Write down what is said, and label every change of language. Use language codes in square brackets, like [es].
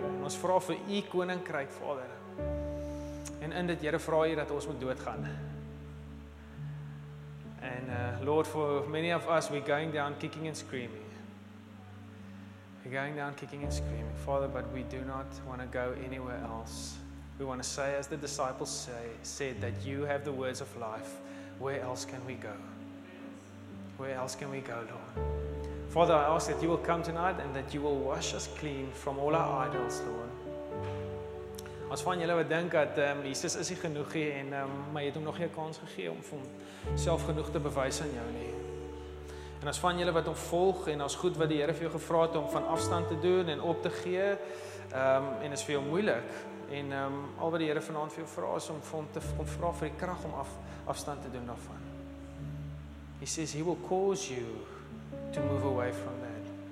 [af] En ons vra vir U koninkryk, Vader. En in dit, Here, vra U dat ons moet doodgaan. [en] And Lord, for many of us, we're going down kicking and screaming. We're going down kicking and screaming, Father, but we do not want to go anywhere else. We want to say, as the disciples said, that You have the words of life. Where else can we go? Where else can we go, Lord? Father, I ask that You will come tonight and that You will wash us clean from all our idols, Lord. [af] As van julle wat dink dat Jesus is nie genoeg nie en maar jy het hom nog nie 'n kans gegee om vir homself genoeg te bewys aan jou nie. En as van julle wat hom volg en as goed wat die Here vir jou gevra het om van afstand te doen en op te gee, en is vir jou moeilik en al wat die Here vanaand vir jou vra is om vir hom te kom vra vir die krag om afstand te doen daarvan. [en] He says he will cause you to move away from that.